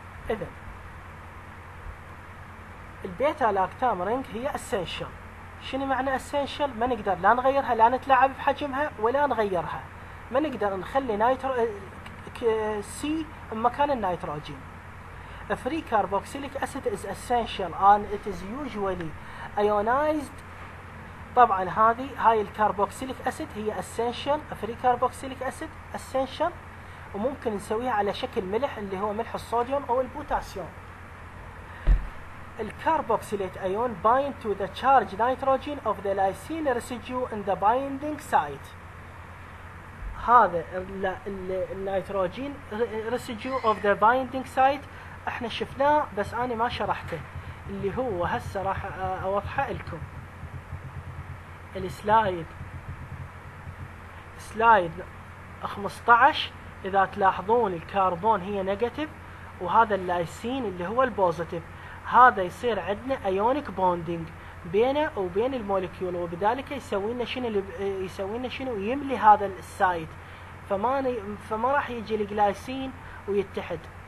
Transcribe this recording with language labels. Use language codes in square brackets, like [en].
[ar] إذن البيتا لاكتامرينج هي أسينشال. شنو معنى أسينشال؟ ما نقدر لا نغيرها لا نتلعب بحجمها ولا نغيرها، ما نقدر نخلي نايترو سي مكان النيتروجين. [en] Free carboxylic acid is essential and it is usually ionized. [ar] طبعا هاي الكاربوكسيليك اسيد هي essential. [en] Free carboxylic acid essential [ar] وممكن نسويها على شكل ملح اللي هو ملح الصوديوم او البوتاسيوم. [en] الكاربوكسيليك ion bind to the charged nitrogen of the lysine residue in the binding site. [ar] هذا النيتروجين [en] residue of the binding site [ar] احنا شفناه بس انا ما شرحته اللي هو هسه راح اوضحه لكم. السلايد 15 اذا تلاحظون الكربون هي نيجاتيف وهذا اللايسين اللي هو البوزيتيف، هذا يصير عندنا ايونيك بوندينج بينه وبين المولكيول وبذلك يسوي لنا شنو يملي هذا السايت، فما راح يجي الجلايسين ويتحد.